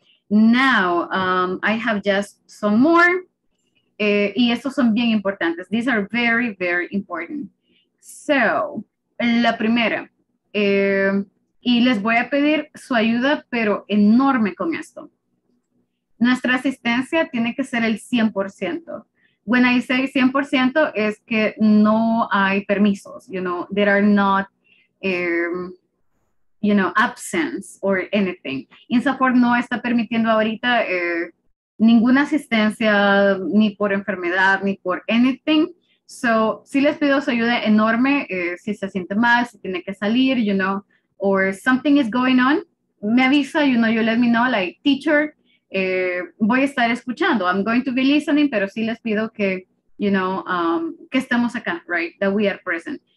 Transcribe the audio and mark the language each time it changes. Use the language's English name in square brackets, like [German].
[English] Now, I have just some more. Y estos son bien importantes. These are very, very important. So, la primera. [Spanish] Y les voy a pedir su ayuda, pero enorme con esto. Nuestra asistencia tiene que ser el 100%. [English] When I say 100% es que no hay permisos, you know, there are not, you know, absence or anything. [Spanish] INSAPORT no está permitiendo ahorita ninguna asistencia ni por enfermedad ni por anything. So, si les pido su ayuda enorme, si se siente mal, si tiene que salir, you know, or something is going on, me avisa, you know, you let me know, like, teacher, voy a estar escuchando, I'm going to be listening, pero sí les pido que, you know, que estemos acá, right, that we are present.